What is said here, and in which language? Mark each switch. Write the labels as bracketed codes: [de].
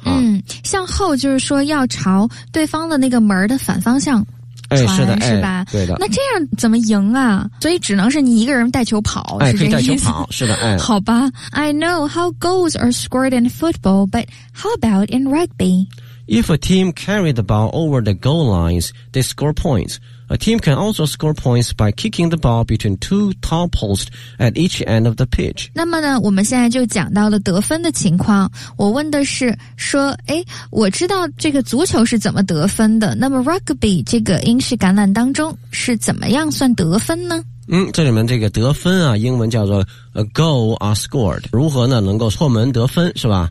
[zh] 嗯，向后就是说要朝对方的那个门的反方向，传、哎、是的，是吧、哎？对的。那这样怎么赢啊？所以只能是你一个人带球跑，哎、是这意思。带球跑，是的，哎。好吧 [en] ，I know how goals are scored in football, but how about in rugby? If a team carried the ball over the goal lines, they score points. A team can also score points by kicking the ball between two tall posts at each end of the pitch. [zh] 那么呢，我们现在就讲到了得分的情况。我问的是说，诶，我知道这个足球是怎么得分的，那么 rugby 这个英式橄榄当中是怎么样算得分呢？嗯，这里面这个得分啊，英文叫做 [en] a goal are scored， [zh] 如何呢能够破门得分，是吧？